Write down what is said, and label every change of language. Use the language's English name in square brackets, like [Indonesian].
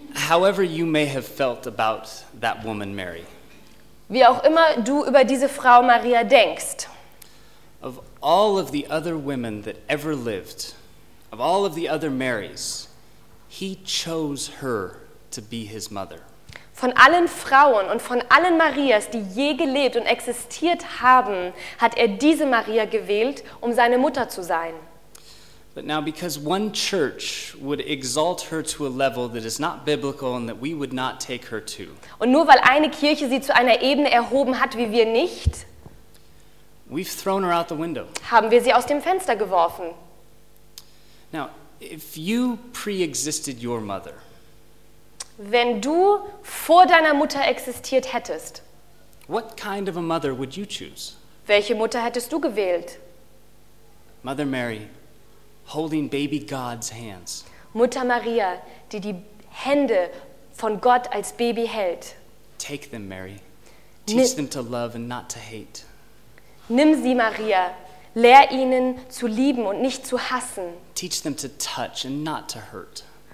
[English] However you may have felt about that woman Mary. [German] Wie auch immer du über diese Frau Maria denkst. [English] Of all of the other women that ever lived, of all of the other Marys, he chose her to be his mother. [German] Von allen Frauen und von allen Marias, die je gelebt und existiert haben, hat er diese Maria gewählt, um seine Mutter zu sein. [English] But now because one church would exalt her to a level that is not biblical and that we would not take her to. [German] Und nur weil eine Kirche sie zu einer Ebene erhoben hat, wie wir nicht, [English] we've thrown her out the window. [German] Haben wir sie aus dem Fenster geworfen. [English] Now, if you pre-existed your mother, [German] wenn du vor deiner Mutter existiert hättest, [English] what kind of a mother would you choose? [German] Welche Mutter hättest du gewählt? [English] Mother Mary, holding baby God's hands. [German] Mutter Maria, die die Hände von Gott als Baby hält. [English] Take them, Mary. Teach them to love and not to hate. [German] Nimm sie, Maria. Lehr ihnen zu lieben und nicht zu hassen. [English] Teach them to touch and not to hurt.